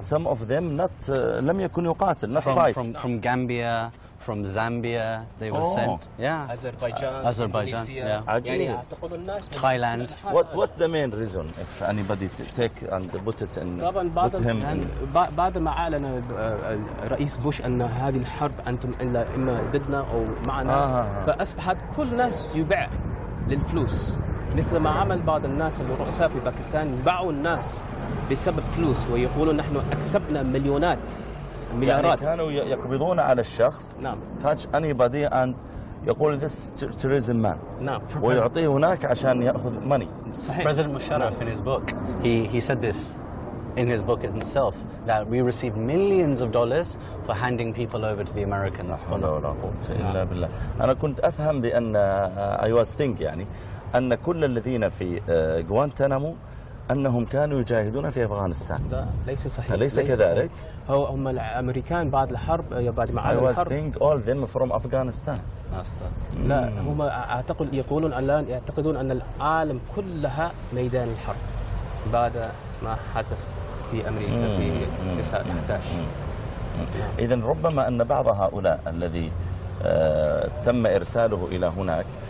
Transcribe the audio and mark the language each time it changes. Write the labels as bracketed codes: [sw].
[en] Some of them not [ar] لم يكن يقاتل. [en] From Gambia. From Zambia, they were sent. Yeah. Azerbaijan. Azerbaijan. Malaysia. Yeah. Thailand. What the main reason, if anybody take and put it in? Put him in. [ar] بعد ما أعلن الرئيس بوش أن هذه الحرب أنتم إلا إما ضدنا أو معنا. فأصبحت كل ناس يبع للفلوس. مثل ما عمل بعض الناس الرؤساء في باكستان باعوا الناس بسبب فلوس ويقولون نحن أكسبنا مليونات. يعني كانوا يقبضون على الشخص. نعم. [en] Catch anybody and [ar] يقول [en] this tourism man. [ar] نعم. ويعطيه هناك عشان يأخذ money. صحيح. [en] President Musharraf in his book, he said this in his book itself that we received millions of dollars for handing people over to the Americans. [ar] لا حول ولا قوة إلا بالله. أنا كنت أفهم بأن [en] I was think [ar] يعني أن كل الذين في غوانتانامو أنهم كانوا يجاهدون في أفغانستان. لا ليس صحيح. ليس كذلك. هو هم الأمريكان بعد الحرب بعد ما عاد الحرب. [en] I think all them from Afghanistan. [ar] لا هم أعتقد يقولون الآن يعتقدون أن العالم كلها ميدان الحرب بعد ما حدث في أمريكا في 1911. إذن ربما أن بعض هؤلاء الذي تم إرساله إلى هناك.